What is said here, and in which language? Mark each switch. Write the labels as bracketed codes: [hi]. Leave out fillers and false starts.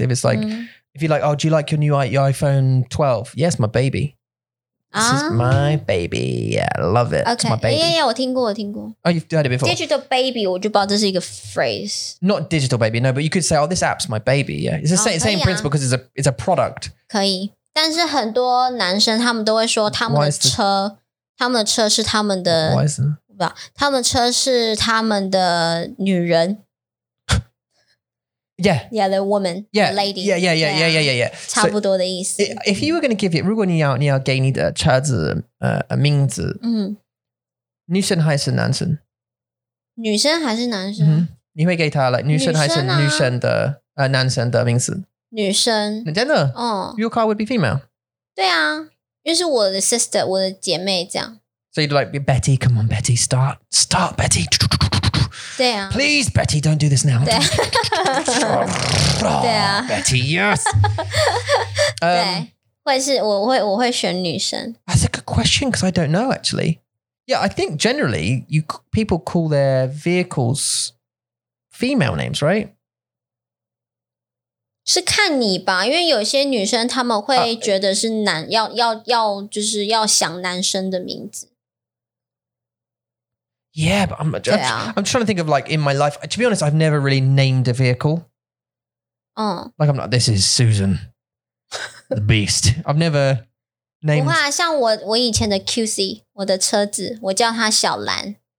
[en] If it's like, if you're like, oh, do you like your new iPhone 12? Yes, my baby. This is my baby. Yeah, I love it. Okay. It's my baby. Yeah, yeah, [zh] 我听过。 [en] Oh, you've heard it before. Digital baby, [zh] 我就不知道这是一个 phrase. [en] Not digital baby, no, but you could say, oh, this app's my baby. Yeah, it's the same principle because it's a product. [zh] 可以。但是很多男生他们都会说他们的车是他们的。 [en] Why is that? [zh] 他们车是他们的女人。 [en] Yeah. Yeah, the woman. Yeah. The lady. Yeah, yeah, yeah, yeah, yeah, yeah, yeah. [zh] 差不多的意思。 [en] So, if you were going to give it, [zh] 如果你要给你的车子名字。女生还是男生？女生还是男生？你会给他like, 女生还是男生的名字？女生。真的？嗯。 [en] Your car would be female? [zh] 对啊，因为是我的 sister, 我的姐妹这样。 [en] So you'd like, Betty, come on, Betty, start, Betty. [zh] 对啊。 [en] Please, Betty, don't do this now. [zh] 对啊。对啊。 [en] Betty, yes. [zh] 对，会是我会选女生。 [en] That's a good question, because I don't know, actually. Yeah, I think generally, people call their vehicles female names, right? [zh] 是看你吧，因为有些女生她们会觉得是男，要就是要想男生的名字。 [en] Yeah, but I'm trying to think of like in my life. To be honest, I've never really named a vehicle. Like I'm not, this is Susan, the beast. I've never named... [zh] 不会啊，像我以前的 QC, 我的车子，我叫它小蓝。